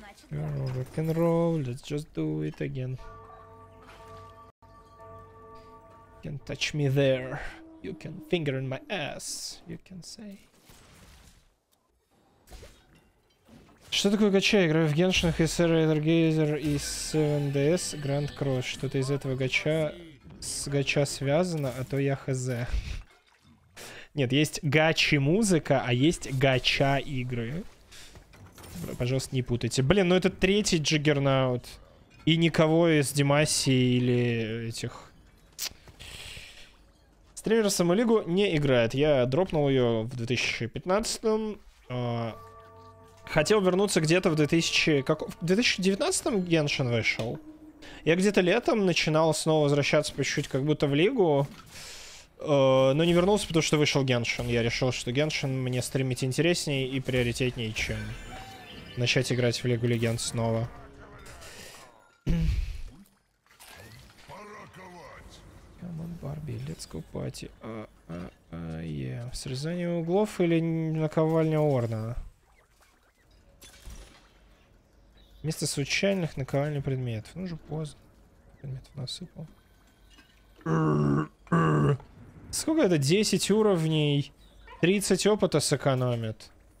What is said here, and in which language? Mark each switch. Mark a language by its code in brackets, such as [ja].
[en] Rock and roll, let's just do it again. You can touch me there. You can finger in my ass, you can say. [ru] Что такое гача? Я играю в Геншинах, SR, Эйдер Гейзер и 7DS, Гранд Кросс. Что-то из этого гача с гача связано, а то я хз. Нет, есть гачи-музыка, а есть гача-игры. Пожалуйста, не путайте. Блин, ну это третий джиггернаут. И никого из Димаси или этих... Стример Самолигу не играет. Я дропнул ее в 2015-м. Хотел вернуться где-то в 2000... Как... В 2019-м Геншин вышел. Я где-то летом начинал снова возвращаться по чуть-чуть как будто в лигу. Но не вернулся, потому что вышел Геншин. Я решил, что Геншин мне стримить интереснее и приоритетнее, чем начать играть в Лигу Легенд снова. Пора ковать. [en] Come on, Барби, let's go party. Yeah. [ru] Срезание углов или наковальня Орна? Вместо случайных наковальня предметов. Ну же поздно. Предметов насыпал. Сколько это? 10 уровней. 30 опыта сэкономит.